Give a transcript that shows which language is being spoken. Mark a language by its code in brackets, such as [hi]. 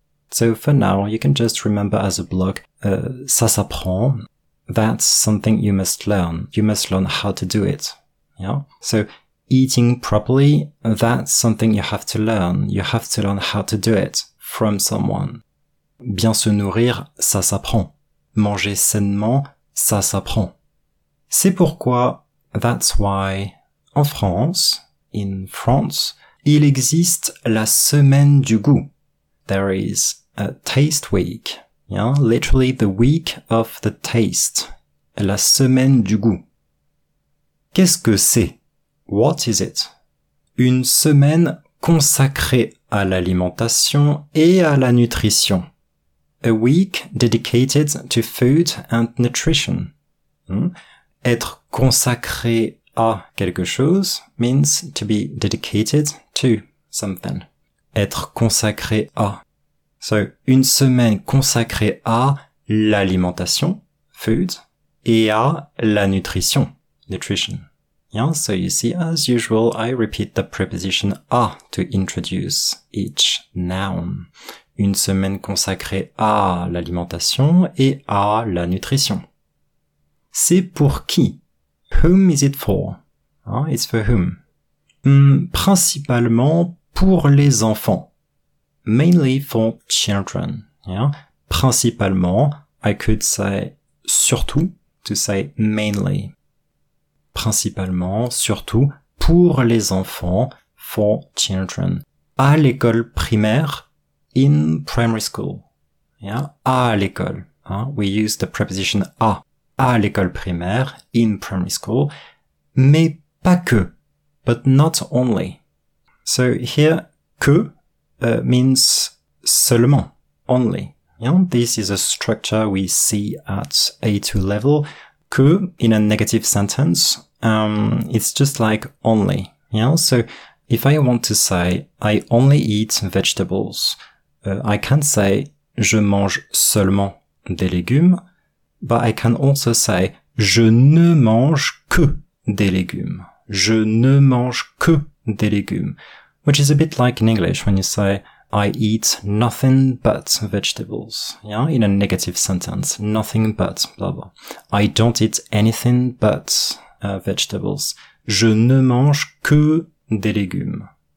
[en] So for now, you can just remember as a block, ça s'apprend, that's something you must learn. You must learn how to do it, yeah? So eating properly, that's something you have to learn. You have to learn how to do it from someone. [fr] Bien se nourrir, ça s'apprend. Manger sainement, ça s'apprend. C'est pourquoi... [en] That's why, [fr] en France, [en] in France, [fr] il existe la semaine du goût. [en] There is a taste week, yeah? Literally the week of the taste. [fr] La semaine du goût. Qu'est-ce que c'est? [en] What is it? [fr] Une semaine consacrée à l'alimentation et à la nutrition. [en] A week dedicated to food and nutrition. Être consacré à quelque chose means to be dedicated to something. [fr] Être consacré à. So, une semaine consacrée à l'alimentation, food, et à la nutrition, nutrition. [en] Yeah, so you see, as usual, I repeat the preposition à to introduce each noun. [fr] Une semaine consacrée à l'alimentation et à la nutrition. C'est pour qui? [en] Whom is it for? It's for whom? [fr] Principalement pour les enfants. [en] Mainly for children. Yeah? Principalement, I could say surtout, to say mainly. [fr] Principalement, surtout, pour les enfants, [en] for children. [fr] À l'école primaire, [en] in primary school. Yeah? [fr] À l'école. [en] We use the preposition à. À l'école primaire, in primary school, [fr] mais pas que, [en] but not only. So here, que means seulement, only. Yeah? This is a structure we see at A2 level. Que, in a negative sentence, it's just like only. Yeah? So if I want to say, I only eat vegetables, I can say, [fr] je mange seulement des légumes. [en] But I can also say, [fr] je ne mange que des légumes. Je ne mange que des légumes. [en] Which is a bit like in English when you say, I eat nothing but vegetables. Yeah, in a negative sentence. Nothing but, blah, blah. I don't eat anything but vegetables. [fr] Je ne mange que des légumes.